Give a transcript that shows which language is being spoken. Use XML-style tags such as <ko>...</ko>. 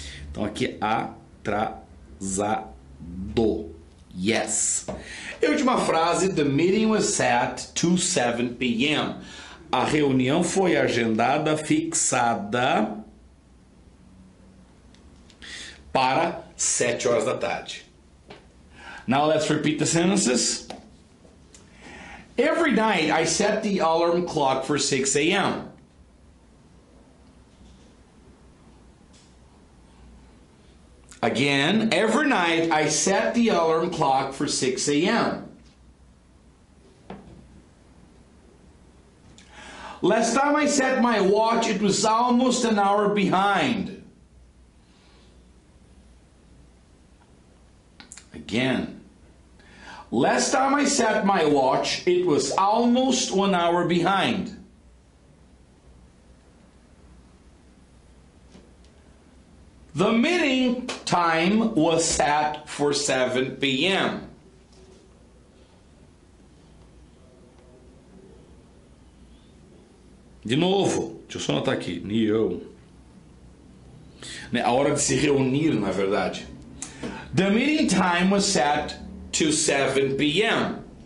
<pt>Então aqui, atrasado. Yes. E a última frase,</pt> <en>the meeting was set to 7 p.m.</en> <pt>A reunião foi agendada, fixada para 7 horas da tarde.</pt> <en>Now let's repeat the sentences. Every night I set the alarm clock for 6 a.m. Again, every night I set the alarm clock for 6 a.m. Last time I set my watch, it was almost an hour behind. Again. Last time I set my watch, it was almost one hour behind. The meeting time was set for 7 p.m.</en> <pt>De novo, deixa eu só anotar aqui, Neil. A hora de se reunir, na verdade.</pt> <en>The meeting time was set to 7 p.m.</en>